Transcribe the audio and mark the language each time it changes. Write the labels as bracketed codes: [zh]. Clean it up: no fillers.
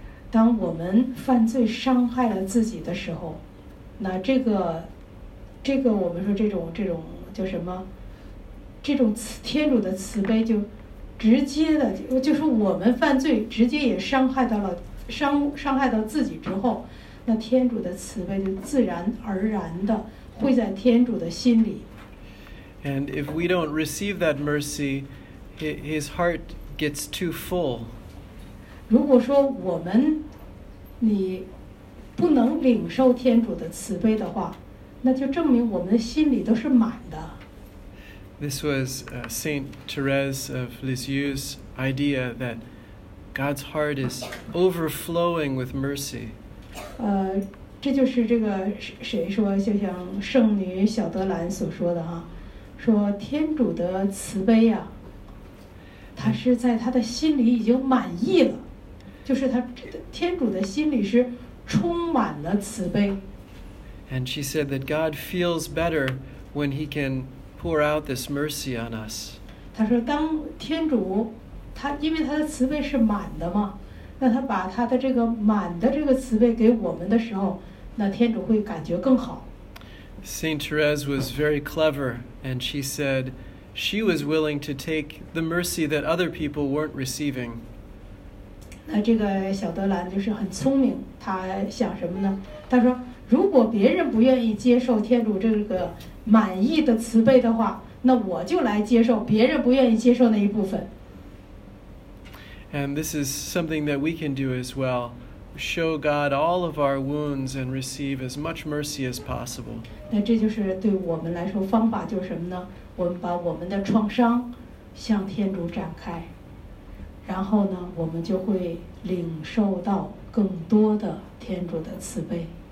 [zh] 当我们犯罪伤害了自己的时候，那这个我们说这种叫什么，这种天主的慈悲就直接的，就是我们犯罪直接也伤害到自己之后，那天主的慈悲就自然而然的会在天主的心里。 [en] And if we don't receive that mercy, his heart gets too full. [zh] 如果说我们，你不能领受天主的慈悲的话，那就证明我们的心里都是满的。 [en] This was Saint Therese of Lisieux's idea that God's heart is overflowing with mercy. [zh] 这就是这个谁说，就像圣女小德兰所说的哈，说天主的慈悲呀，他是在他的心里已经满意了。就是他天主的心里是充满了慈悲。 [en] And she said that God feels better when he can pour out this mercy on us. [zh] 他说当天主他因为他的慈悲是满的嘛，那他把他的这个满的这个慈悲给我们的时候，那天主会感觉更好。 [en] Saint Therese was very clever, and she said she was willing to take the mercy that other people weren't receiving. [zh] 那这个小德兰就是很聪明，他想什么呢？他说，如果别人不愿意接受天主这个满意的慈悲的话，那我就来接受别人不愿意接受那一部分。 [en] And this is something that we can do as well. Show God all of our wounds and receive as much mercy as possible. [zh] 那这就是对我们来说方法就是什么呢？我们把我们的创伤向天主展开，然后呢，我们就会领受到更多的天主的慈悲。